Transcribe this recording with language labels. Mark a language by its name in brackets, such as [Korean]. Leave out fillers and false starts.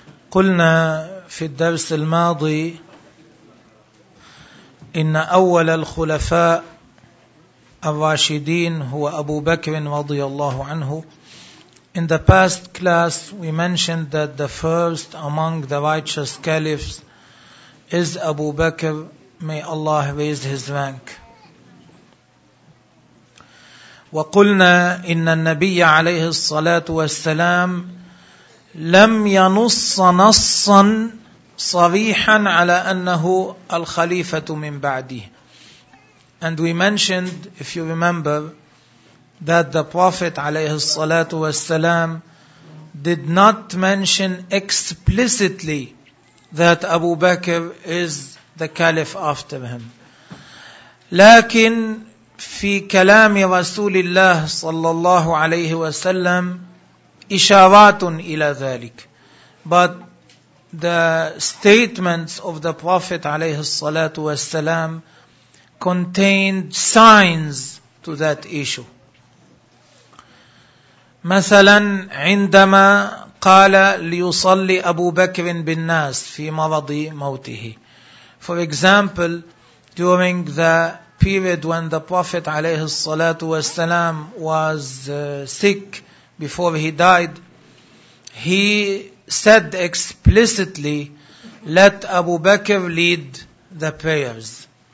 [Arabic] قلنا في الدرس الماضي إن أول الخلفاء الراشدين هو أبو بكر رضي الله عنه. [English] In the past class we mentioned that the first among the righteous caliphs is Abu Bakr, may Allah raise his rank. [Arabic] وقلنا إن النبي عليه الصلاة والسلام لم ينص نصا صريحا على أنه الخليفة من بعده. [English] And we mentioned, if you remember, that the Prophet عليه الصلاة والسلام did not mention explicitly that Abu Bakr is the caliph after him. [Arabic] لكن في كلام رسول الله صلى الله عليه وسلم إشارات إلى ذلك. [English] But the statements of the Prophet عليه الصلاة والسلام contained signs to that issue. [Arabic] مثلا عندما قال ليصلي أبو بكر بالناس في مرض موته. [English] For example, during the period when the Prophet عليه الصلاة والسلام was sick, before he died, he said explicitly, let Abu Bakr lead the prayers.